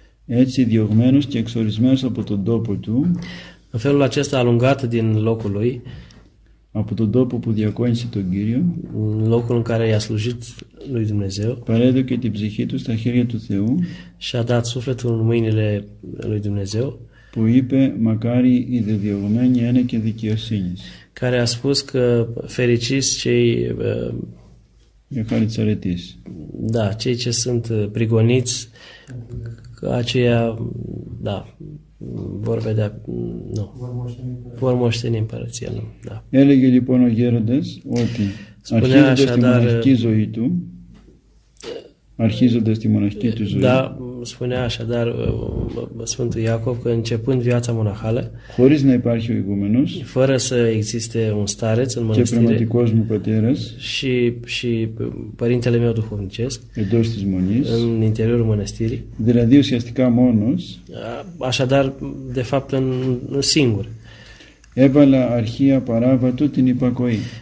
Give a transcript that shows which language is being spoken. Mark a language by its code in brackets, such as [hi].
[el] Έτσι διωγμένος και εξορισμένος από τον τόπο του, [ro] în felul acesta alungat din locul lui, [el] από τον τόπο που διακόνησε τον Κύριο, [ro] locul în care i-a slujit lui Dumnezeu, [el] παρέδωκε την ψυχή του στα χέρια του Θεού, [ro] și-a dat sufletul în mâinile lui Dumnezeu, [el] που είπε «Μακάρι οι δεδιωγμένοι είναι και δικαιοσύνης». [ro] Care a spus că fericis cei... [el] Για χάρη της αρετής. [ro] Da, cei ce sunt prigoniți, aceia, da, vor vedea, nu, vor moșteni împărăția, nu, da. [el] Έλεγε λοιπόν ο γέροντας ότι αρχίζοντας τη μοναχική του ζωή, [ro] da, spunea așadar Sfântul Iacob că începând viața monahală, [el] χωρίς να υπάρχει ο ηγούμενος, [ro] fără să existe un stareț în mănăstire, [el] και πνευματικός μου πατέρας, [ro] și părintele meu duhovnicesc, [el] εντός της μονής, [ro] în interiorul mănăstirii, [el] δηλαδή ουσιαστικά μόνος, [ro] așadar, de fapt, singur, [el] έβαλα αρχία παράβατο την υπακοή.